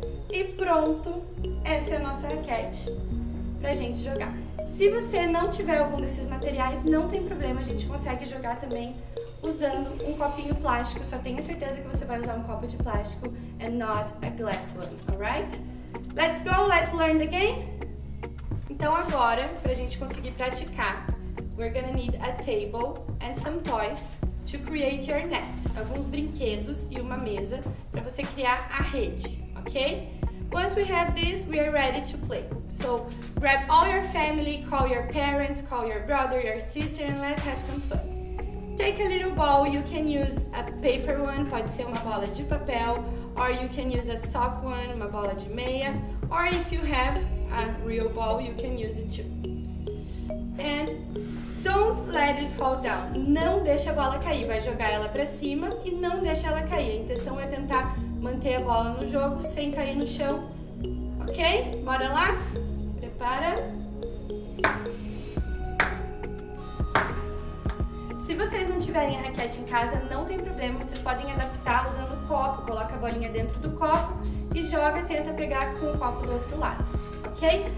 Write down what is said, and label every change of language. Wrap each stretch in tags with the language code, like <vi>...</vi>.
<pt>E pronto, essa é a nossa raquete pra gente jogar. Se você não tiver algum desses materiais, não tem problema, a gente consegue jogar também usando um copinho plástico. Só tenha certeza que você vai usar um copo de plástico</pt> <en>and not a glass one, alright? Let's go, let's learn the game!</en> <pt>Então agora, pra gente conseguir praticar,</pt> <en>we're gonna need a table and some toys to create your net.</en> <pt>Alguns brinquedos e uma mesa pra você criar a rede, ok?</pt> <en>Once we have this, we are ready to play. So, grab all your family, call your parents, call your brother, your sister, and let's have some fun. Take a little ball, you can use a paper one,</en> <pt>pode ser uma bola de papel,</pt> <en>or you can use a sock one,</en> <pt>uma bola de meia,</pt> <en>or if you have a real ball, you can use it too. And don't let it fall down.</en> <pt>Não deixa a bola cair, vai jogar ela pra cima e não deixa ela cair. A intenção é tentar manter a bola no jogo sem cair no chão, ok? Bora lá? Prepara! Se vocês não tiverem a raquete em casa, não tem problema, vocês podem adaptar usando o copo, coloca a bolinha dentro do copo e joga, tenta pegar com o copo do outro lado, ok?</pt>